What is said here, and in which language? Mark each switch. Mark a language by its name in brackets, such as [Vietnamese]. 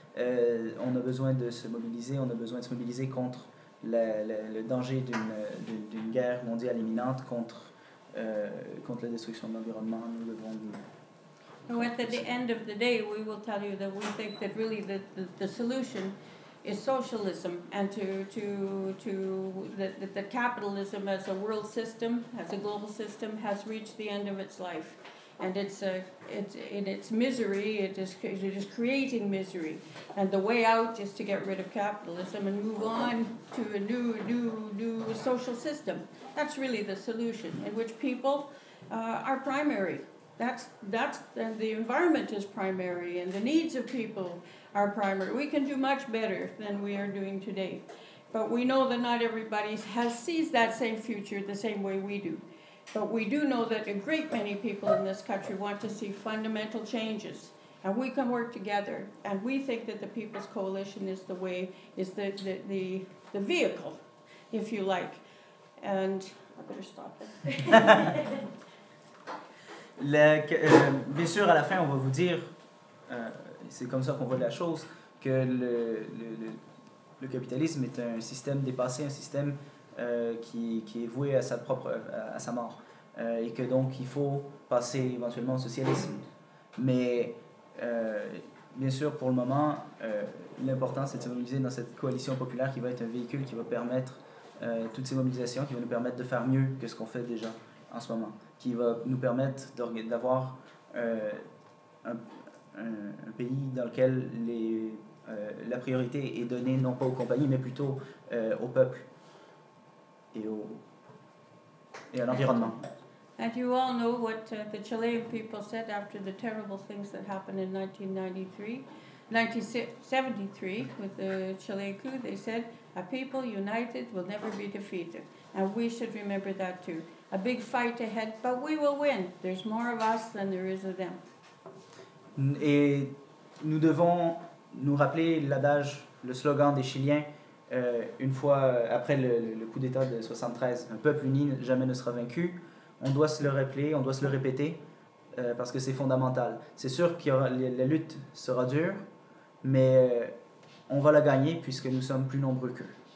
[French] On a besoin de se mobiliser, on a besoin de se mobiliser contre le danger d'une guerre mondiale imminente, contre la destruction de l'environnement. Nous devons nous. [English] So at the end of the day, we will tell you that we think that really the solution is socialism, and to the capitalism as a world system, as a global system, has reached the end of its life. And it's misery, it is creating misery. And the way out is to get rid of capitalism and move on to a new social system. That's really the solution, in which people are primary. And the environment is primary, and the needs of people are primary. We can do much better than we are doing today. But we know that not everybody sees that same future the same way we do. But we do know that a great many people in this country want to see fundamental changes, and we can work together. And we think that the People's Coalition is the way, is the vehicle, if you like. And I better stop it. [French] Bien sûr, à la fin, on va vous dire, c'est comme ça qu'on voit la chose, que le capitalisme est un système dépassé, un système qui est voué à sa propre à sa mort. Et que donc il faut passer éventuellement au socialisme. Mais bien sûr, pour le moment, l'important c'est de se mobiliser dans cette coalition populaire qui va être un véhicule qui va permettre toutes ces mobilisations, qui va nous permettre de faire mieux que ce qu'on fait déjà en ce moment, qui va nous permettre d'avoir un pays dans lequel la priorité est donnée non pas aux compagnies, mais plutôt au peuple et à l'environnement. [English] And you all know what the Chilean people said after the terrible things that happened in 1973 with the Chilean coup. They said, a people united will never be defeated. And we should remember that too. A big fight ahead, but we will win. There's more of us than there is of them. [French] Et nous devons nous rappeler l'adage, le slogan des Chiliens, une fois après le coup d'état de 73, un peuple uni jamais ne sera vaincu. On doit se le rappeler, on doit se le répéter, parce que c'est fondamental. C'est sûr que la lutte sera dure, mais on va la gagner puisque nous sommes plus nombreux qu'eux.